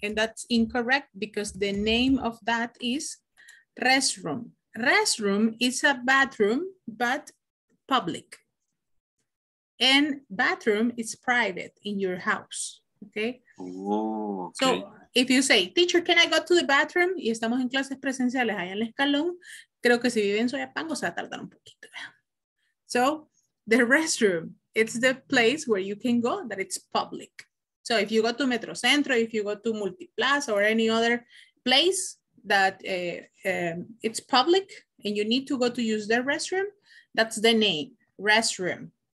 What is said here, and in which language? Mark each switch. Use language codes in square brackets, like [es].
[en] And that's incorrect because the name of that is restroom. Restroom is a bathroom, but public. And bathroom is private in your house, okay? Okay. So if you say, teacher, can I go to the bathroom? [es] Y estamos en clases presenciales allá en el escalón. Creo que si vive en Soyapango se va a tardar un poquito. [en] So the restroom, it's the place where you can go that it's public. So if you go to Metrocentro, if you go to Multiplaza or any other place that it's public and you need to go to use the restroom, that's the name, restroom.